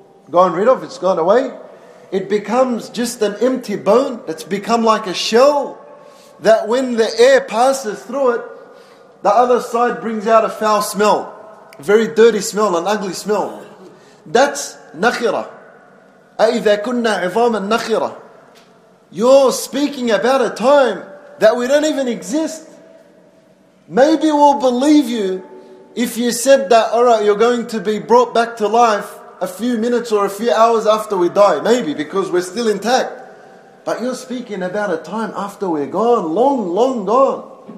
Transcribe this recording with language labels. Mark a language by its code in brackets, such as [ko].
[en] gone rid of, it's gone away. It becomes just an empty bone. It's become like a shell that when the air passes through it, the other side brings out a foul smell, a very dirty smell, an ugly smell. That's nakhira. [ar] أَإِذَا كُنَّا عِظَامًا nakhira. [en] You're speaking about a time that we don't even exist. Maybe we'll believe you if you said that, all right, you're going to be brought back to life a few minutes or a few hours after we die, maybe, because we're still intact. But you're speaking about a time after we're gone, long, long gone.